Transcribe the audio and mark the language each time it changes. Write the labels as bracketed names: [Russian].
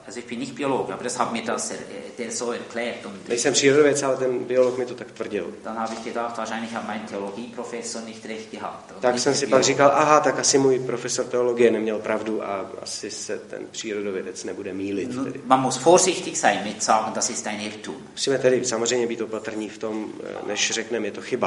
[German] Also ich bin nicht Biolog, aber das hat mir das der so erklärt. [Czech] Nejsem přírodovědec, ale ten biolog mi to tak tvrdil. [German] Dann habe ich gedacht, wahrscheinlich hat mein Theologieprofessor nicht recht gehabt. [Czech] Tak jsem si pak říkal, aha, tak asi můj profesor teologie neměl pravdu a asi se ten přírodovědec nebude mýlit. [German] Man muss vorsichtig sein mit sagen, das ist ein Irrtum. [Czech] Musíme tedy samozřejmě být opatrní v tom, než řekneme, je to chyba.